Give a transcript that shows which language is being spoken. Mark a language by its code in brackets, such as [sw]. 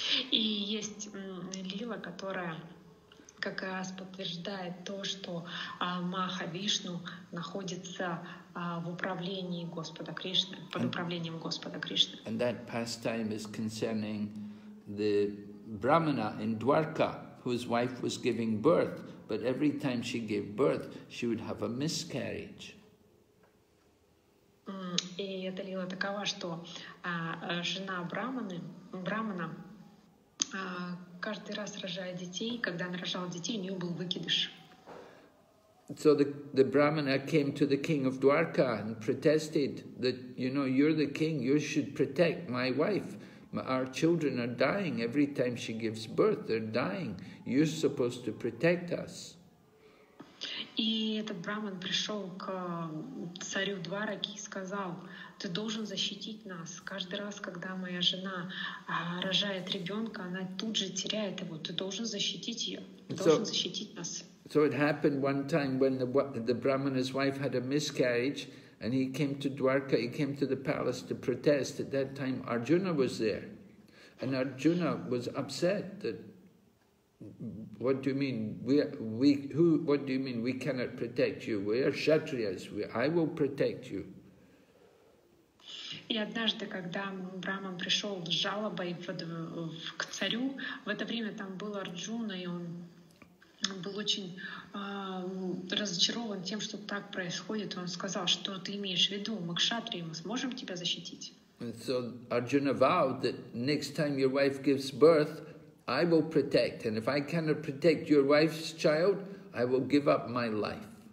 [ru] И есть лила, которая как раз подтверждает то, что Махавишну находится в управлении Господа Кришны, под управлением Господа Кришны. [en] And that pastime is concerning the Brahmana in Dwarka, whose wife was giving birth, but every time she gave birth, she would have a miscarriage. [ru] И эта лила такова, что жена Брахмана, каждый раз рожая детей, когда она рожала детей, у нее был выкидыш. [en] So the Brahmana came to the king of Dwarka and protested that, you know, you're the king, you should protect my wife. Our children are dying every time she gives birth, they're dying. You're supposed to protect us. [ru] И этот Брахман пришел к царю Двараки и сказал, ты должен защитить нас. Каждый раз, когда моя жена рожает ребенка, она тут же теряет его. Ты должен защитить ее. Должен защитить нас. [en] So it happened one time when the Brahmana's wife had a miscarriage and he came to Dwarka, he came to the palace to protest. At that time Arjuna was there. And Arjuna was upset that, what do you mean? We cannot protect you? We are Kshatriyas. I will protect you. [ru] И однажды, когда Брахман пришел с жалобой к царю, в это время там был Арджуна, и он был очень разочарован тем, что так происходит. Он сказал, что ты имеешь в виду, мы кшатрии, мы сможем тебя защитить. [en] And so Arjuna vowed that next time your wife gives birth, I will protect, and if I cannot protect your wife's child, I will give up my life.